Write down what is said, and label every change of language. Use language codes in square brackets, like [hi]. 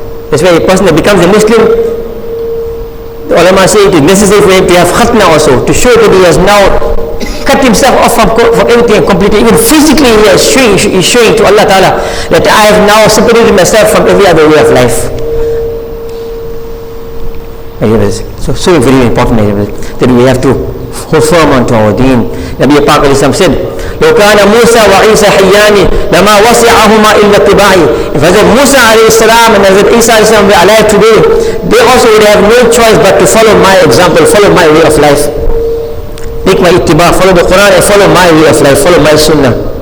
[en] That's why a person that becomes a Muslim, the ulama say it is necessary for him to have khatna also, to show that he has now cut himself off from everything and completely, even physically he is showing to Allah Ta'ala that I have now separated myself from every other way of life. So very important that we have to hold firm onto our deen. Nabi Paak alayhi salam said, [ar] لو كان موسى وعيسى حيان لما وسعهما إلا اتباعي. [en] If Hazrat Musa alayhi salam and Hazrat Isa alayhi salam were alive today, they also would have no choice but to follow my example, follow my way of life. Take my ittiba, follow the Quran and follow my way of life, follow my sunnah.